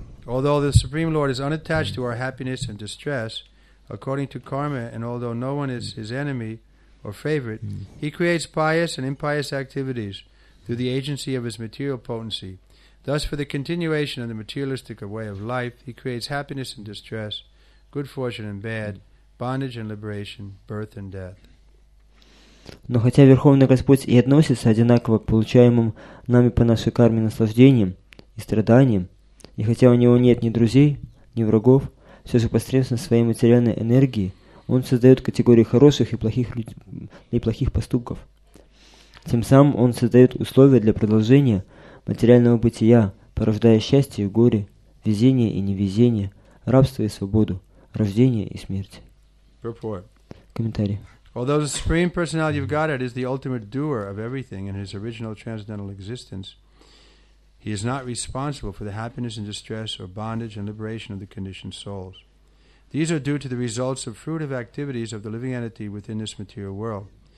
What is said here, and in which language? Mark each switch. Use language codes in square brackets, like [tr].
[en] Although the Supreme Lord is unattached to our happiness and distress, according to karma, and although no one is His enemy or favorite, He creates pious and impious activities through the agency of His material potency. Thus, for the continuation of the materialistic way of life, He creates happiness and distress, good fortune and bad, bondage and liberation, birth and death. [ru] Но хотя Верховный Господь и относится одинаково к получаемым нами по нашей карме наслаждениям и страданиям, и хотя у Него нет ни друзей, ни врагов, все же посредством своей материальной энергии Он создает категории хороших и плохих людей, и плохих поступков. Тем самым Он создает условия для продолжения материального бытия, порождая счастье и горе, везение и невезение, рабство и свободу, рождение и смерть. Комментарий. [en] Although the Supreme Personality of Godhead is the ultimate doer of everything in His original transcendental existence, He is not responsible for the happiness and distress or bondage and liberation of the conditioned souls. These are due to the results of fruitive activities of the living entity within this material world.